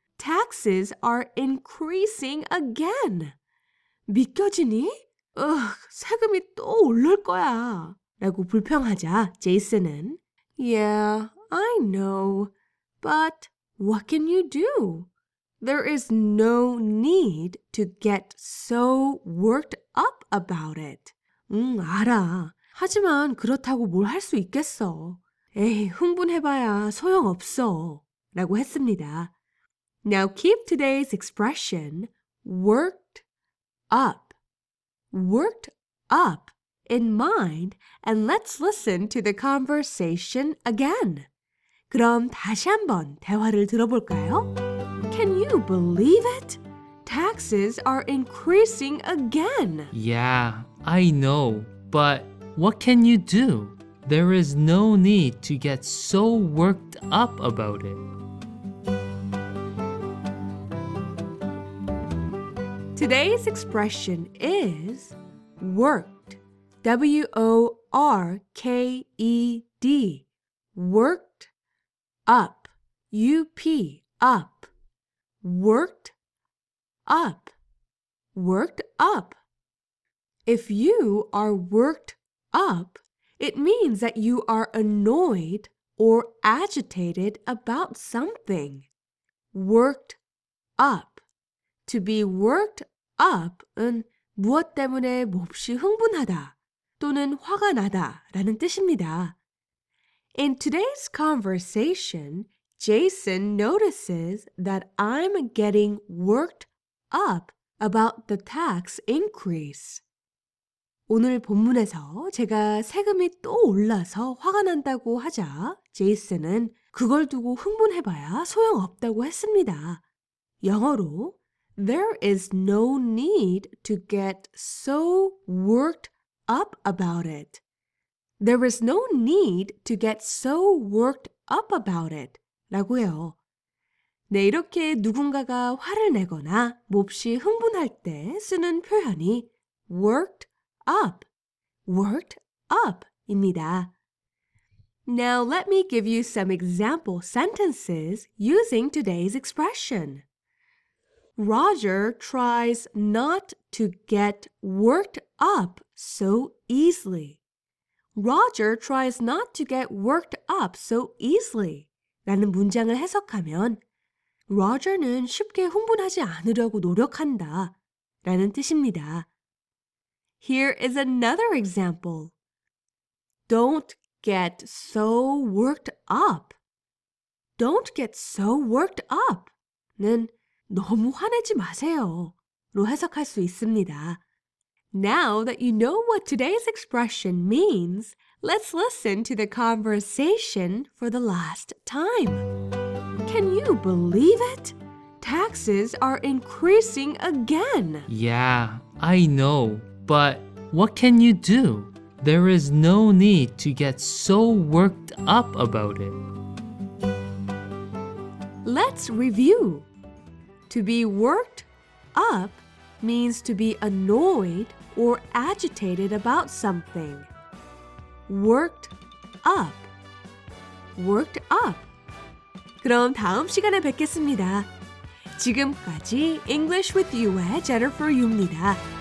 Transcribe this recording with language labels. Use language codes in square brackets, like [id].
[en] Taxes are increasing again. [ko] 믿겨지니? 세금이 또 오를 거야. 라고 불평하자 제이슨은 [en] Yeah, I know. But what can you do? There is no need to get so worked up about it. [ko] 알아. 하지만 그렇다고 뭘 할 수 있겠어. 에이, 흥분해봐야 소용없어. 라고 했습니다. [en] Now keep today's expression, worked up. Worked up in mind, and let's listen to the conversation again. [ko] 그럼 다시 한번 대화를 들어볼까요? [en] Can you believe it? Taxes are increasing again. Yeah, I know, but what can you do? There is no need to get so worked up about it. Today's expression is worked, W-O-R-K-E-D, worked up, U-P, up, worked up, worked up. If you are worked up, it means that you are annoyed or agitated about something. Worked up. To be worked up [ko] 은 무엇 때문에 몹시 흥분하다 또는 화가 나다라는 뜻입니다. [en] In today's conversation, Jason notices that I'm getting worked up about the tax increase. [ko] 오늘 본문에서 제가 세금이 또 올라서 화가 난다고 하자 제이슨은 그걸 두고 흥분해봐야 소용없다고 했습니다. 영어로 [en] There is no need to get so worked up about it. There is no need to get so worked up about it. [ko] 라고요. 네, 이렇게 누군가가 화를 내거나 몹시 흥분할 때 쓰는 표현이 worked up, worked up 입니다. [en] Now let me give you some example sentences using today's expression. Roger tries not to get worked up so easily. Roger tries not to get worked up so easily. [ko] 라는 문장을 해석하면 Roger는 쉽게 흥분하지 않으려고 노력한다 라는 뜻입니다. [en] Here is another example. Don't get so worked up. Don't get so worked up. [ko] 는 너무 화내지 마세요. 로 해석할 수 있습니다. [en] Now that you know what today's expression means, let's listen to the conversation for the last time. Can you believe it? Taxes are increasing again. Yeah, I know. But what can you do? There is no need to get so worked up about it. Let's review. To be worked up means to be annoyed or agitated about something. Worked up. Worked up. [ko] 그럼 다음 시간에 뵙겠습니다. 지금까지 English with You의 Jennifer Yu입니다.